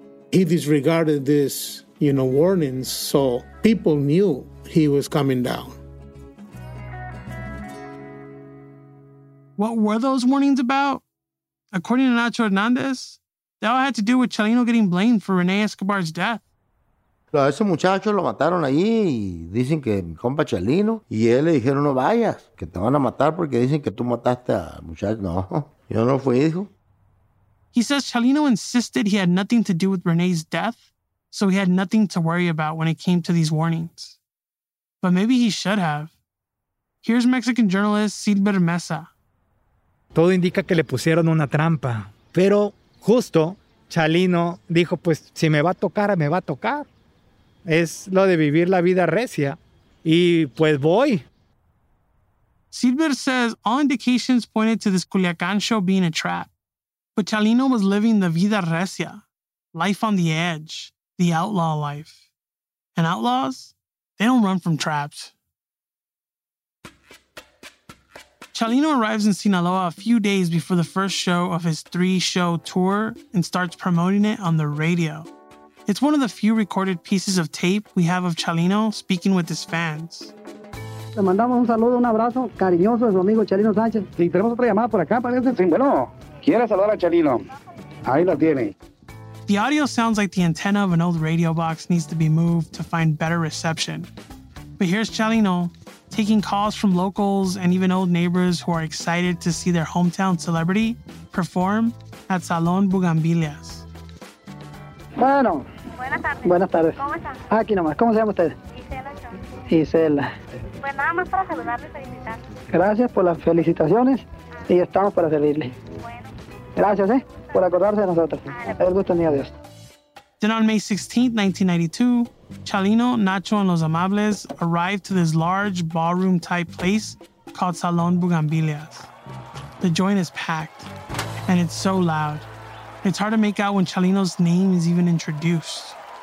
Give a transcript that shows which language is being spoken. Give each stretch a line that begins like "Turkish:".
English: He disregarded this, you know, warnings, so people knew he was coming down. What were those warnings about? According to Nacho Hernandez, that all had to do with Chalino getting blamed for Rene Escobar's death.
Spanish: A ese muchacho lo mataron allí y dicen que mi compa Chalino y él le dijeron no vayas, que te van a matar porque dicen que tú mataste a muchacho. No, yo no fui, hijo.
English: He says Chalino insisted he had nothing to do with Rene's death, so he had nothing to worry about when it came to these warnings. But maybe he should have. Here's Mexican journalist Cid Bermeza.
Spanish: Todo indica que le pusieron una trampa, pero justo, Chalino dijo, pues, si me va a tocar, me va a tocar. Es lo de vivir la vida recia. Y, pues, voy.
English: Silver says all indications pointed to this Culiacán show being a trap. But Chalino was living the vida recia, life on the edge, the outlaw life. And outlaws, they don't run from traps. Chalino arrives in Sinaloa a few days before the first show of his three-show tour and starts promoting it on the radio. It's one of the few recorded pieces of tape we have of Chalino speaking with his fans.
Spanish: Le mandamos un saludo, un abrazo cariñoso de su amigo Chalino Sánchez. Sí, tenemos otra llamada por acá, parece. Sí, bueno, quiere saludar a Chalino. Ahí la tiene. The audio sounds like the antenna of an old radio box needs to be moved to find better reception. But here's Chalino, taking calls from locals and even old neighbors who are excited to see their hometown celebrity perform at Salon Bugambilias. Bueno. Buenas tardes. Buenas tardes. ¿Cómo están? Aquí nomás. ¿Cómo se llama usted? Gisela. Gisela. Pues nada más para saludarle y felicitarle. Gracias por las felicitaciones y estamos para servirle. Bueno. Gracias, por acordarse de nosotros. Es gusto mío, Dios.
English: Then on May 16, 1992, Chalino, Nacho, and Los Amables arrived to this large ballroom-type place called Salón Bugambilias. The joint is packed, and it's so loud. It's hard to make out when Chalino's name is even introduced.